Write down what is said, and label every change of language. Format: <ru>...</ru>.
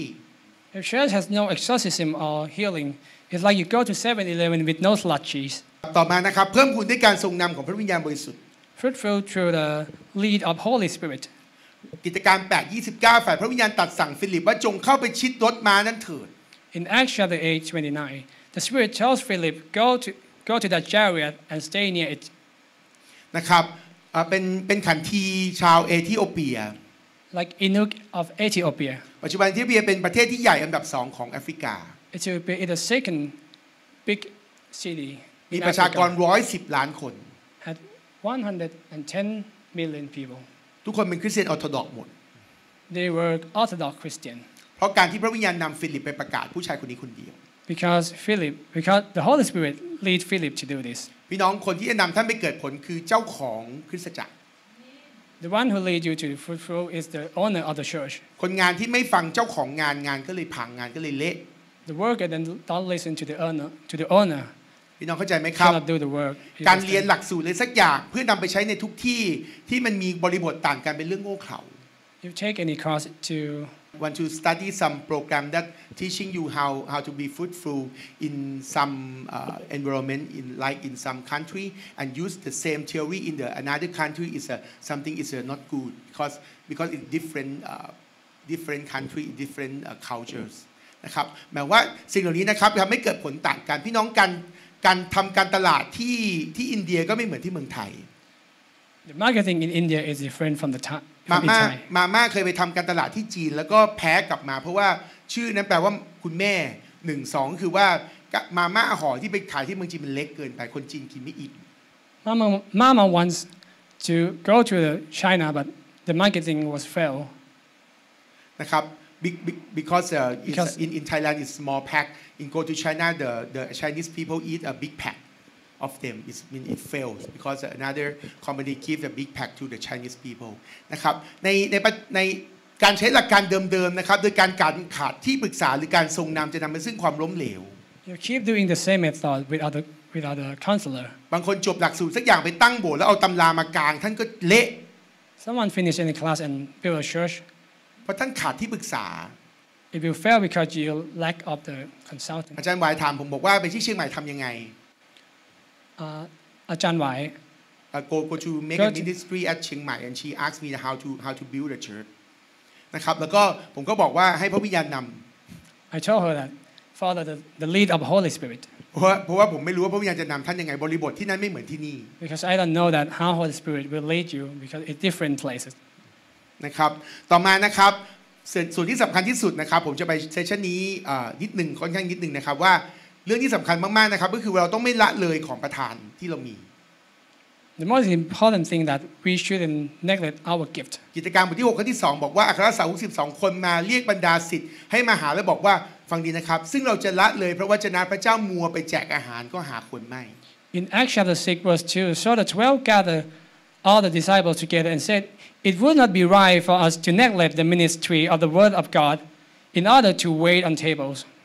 <en>If church has no exorcism or healing it's like you go to 7-Eleven with no slushies</en> <th>ต่อมานะครับเพิ่มพูนด้วยการทรงนำของพระวิญญาณบริสุทธิ์</th> <en>Fruitful through the lead of Holy Spirit</en> <th>กิจการ8:29ฝ่ายพระวิญญาณตัดสั่งฟิลิปว่าจงเข้าไปชิดรถม้านั้นเถิด</th> <en>In Acts chapter 8:29The Spirit tells Philip go to that chariot and stay near it.</en> <th>นะครับเป็นขันทีชาวเอธิโอเปีย</th> <en>Like Inuk of Ethiopia.</en> <th>ปัจจุบันเอธิโอเปียเป็นประเทศที่ใหญ่อันดับ2ของแอฟริกา</th> <en>Ethiopia is the second big city.</en> <th>มีประชากร110ล้านคน</th> <en>had 110 million people</en> <th>ทุกคนเป็นคริสเตียนออร์โธดอกซ์หมด</th> <en>they were orthodox christian</en> <th>เพราะการที่พระวิญญาณนำฟิลิปไปประกาศผู้ชายคนนี้คนเดียว</th> <en>because the holy spirit lead philip to do this</en> <th>พี่น้องคนที่จะนำท่านไปเกิดผลคือเจ้าของคริสตจักร</th> <en>The one who leads you to the fruitful is the owner of the church.</en> <th>คนงานที่ไม่ฟังเจ้าของงานงานก็เลยพังงานก็เลยเละ</th> <en>The worker then don't listen to the owner. To the owner.</en> <th>พี่น้องเข้าใจไหมครับ</th> <en>Cannot do the work.</en> <th>การเรียนหลักสูตรเลยสักอย่างเพื่อนำไปใช้ในทุกที่ที่มันมีบริบทต่างกันเป็นเรื่องโง่เขลา</th> <en>You take any course to want to study some program that teaching you how to be fruitful in some environment in like in some country and use the same theory in the another country is a something is a not good because it's different different country different cultures</en> <th>นะครับหมายว่าสิ่งเหล่านี้นะครับทำให้เกิดผลต่างกันพี่น้องการทำการตลาดที่อินเดียก็ไม่เหมือนที่เมืองไทย</th> <en>The marketing in India is different from the Thai</en> <th>มาม่าเคยไปทำการตลาดที่จีนแล้วก็แพ้กลับมาเพราะว่าชื่อนั้นแปลว่าคุณแม่หนึ่งสองคือว่ามาม่าห่อที่ไปขายที่เมืองจีนมันเล็กเกินไปคนจีนกินไม่อิ่ม</th> <en>มาม่า wants to go to the China but the marketing was fail นะครับ because in Thailand it's small pack in go to China the Chinese people eat a big packof them is mean it fails because another company give the big pack to the Chinese people</en> <th>นะครับในการใช้หลักการเดิมๆนะครับโดยการขาดที่ปรึกษาหรือการทรงนำจะนำไปซึ่งความล้มเหลว</th> <en>you keep doing the same method with other counselor</en> <th>บางคนจบหลักสูตรสักอย่างไปตั้งโบสถ์แล้วเอาตำรามากางท่านก็เละ</th> <en>someone finish any class and build a church</en> <th>เพราะท่านขาดที่ปรึกษา</th> <en>if you fail because you lack of the consultant</en> <th>อาจารย์วายถามผมบอกว่าไปที่เชียงใหม่ทำยังไง</th> <en>Achan Wai. Go to make a ministry at Chiang Mai, and she asked me how to build a church.</en> <th>นะครับแล้วก็ผมก็บอกว่าให้พระวิญญาณนำ</th> <en>I told her that follow the lead of Holy Spirit.</en> <th>เพราะว่าผมไม่รู้ว่าพระวิญญาณจะนำท่านยังไงบริบทที่นั้นไม่เหมือนที่นี่</th> <en>Because I don't know that how Holy Spirit will lead you because it's different places.</en> <th>นะครับต่อมานะครับส่วนที่สำคัญที่สุดนะครับผมจะไปเซสชั่นนี้นิดหนึ่งค่อนข้างนิดหนึ่งนะครับว่าเรื่องที่สำคัญมากๆนะครับก็คือเราต้องไม่ละเลยของประธานที่เรามี</th> <en>The most important thing that we shouldn't neglect our gift</en> <th>กิจการบทที่6ข้อที่2บอกว่าอัครสาวก12คนมาเรียกบรรดาศิษย์ให้มาหาและบอกว่าฟังดีนะครับซึ่งเราจะละเลยพระวจนะพระเจ้ามัวไปแจกอาหารก็หาคนไม่</th> <en>In Acts chapter 6 verse 2 so the 12 gathered all the disciples together and said it would not be right for us to neglect the ministry of the word of God in order to wait on tables</en>